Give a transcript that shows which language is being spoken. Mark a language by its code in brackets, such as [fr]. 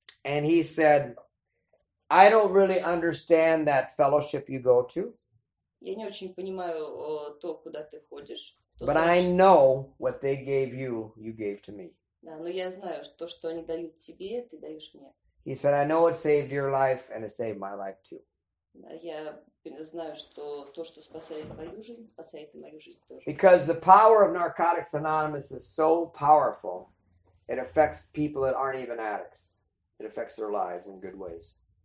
[en] And he said, I don't really understand that fellowship you go to. [ru] Я не очень понимаю то, куда ты ходишь. [en] But I know what they gave you, you gave to me. [ru] Да, но я знаю, что то, что они дают тебе, ты даешь мне. [en] He said, I know it saved your life, and it saved my life too. [ru] Я знаю, что то, что спасает твою жизнь, спасает и мою жизнь тоже. [en] Because the power of Narcotics Anonymous is so powerful, it affects people that aren't even addicts. It affects their lives in good ways.